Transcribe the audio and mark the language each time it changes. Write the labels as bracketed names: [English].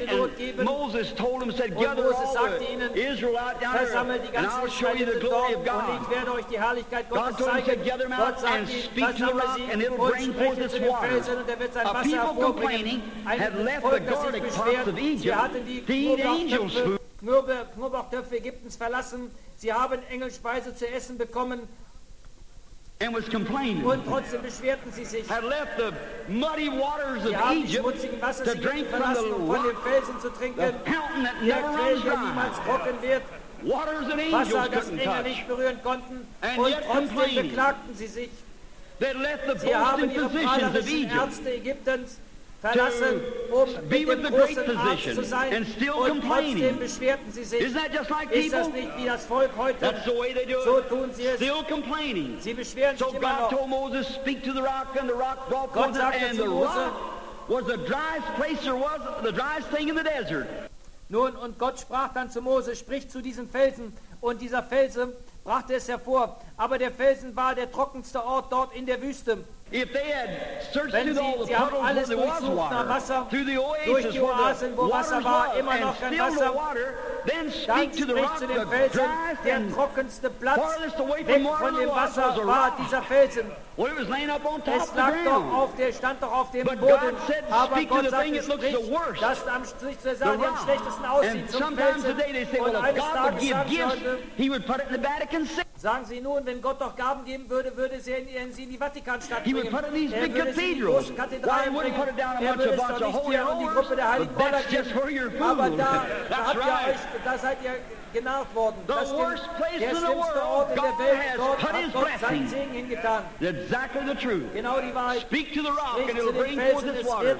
[English] And Moses told them, said, gather all the Israel out down there, and I'll show you the glory of God. God told them, said, gather them out and speak to the rock, and it'll bring forth this water. A people complaining had left the garlic pots of Egypt to eat angels' food. [German] Knoblauchtöpfe Ägyptens verlassen. Sie haben Engelspeise zu essen bekommen. [English] And was complaining. [German] Und trotzdem beschwerten sie sich. [English] Had left the muddy waters of Egypt to drink from the rock, [German] Felsen zu trinken, [English] the fountain that never runs dry. [German] Niemals trocken wird. [English] Waters and angels [German] Wasser, das [English] couldn't [German] Engel nicht berühren konnten. [English] And [German] und [English] yet [German] trotzdem beklagten sie sich. [English] They left the boasting physicians of Egypt to be with the great physician and still complaining. Isn't that just like people? That's the way they do it. Still complaining. So God told Moses, speak to the rock, and the rock brought forth, and the rock was the driest place there was, the driest thing in the desert. [German] Nun, und Gott sprach dann zu Moses, sprich zu diesem Felsen, und dieser Felsen brachte es hervor. Aber der Felsen war der trockenste Ort dort in der Wüste. [English] If they had searched through all the puddles where there was water, through the oasis where the water was, and still the water, then speak to the rock, the driest and farthest away from water than water was a rock. Well, it was laying up on top of the ground. [German] Stand doch auf dem [English] but [German] Boden. [English] God said, speak to the thing that looks the worst, [German] das am zu sagen, [English] the rock. And sometimes today they say, well, if God would give gifts, he would put it in the Vatican City. [German] Sagen Sie nun, wenn Gott doch Gaben geben würde, würde er sie in die Vatikanstadt bringen. [English] He would put it in these big cathedrals. Why would he put it down in a bunch of holy rollers? But that's just where you're fooling. That's right. The worst place in the world, God has put his blessing. Exactly the truth. Speak to the rock and it'll bring forth its water.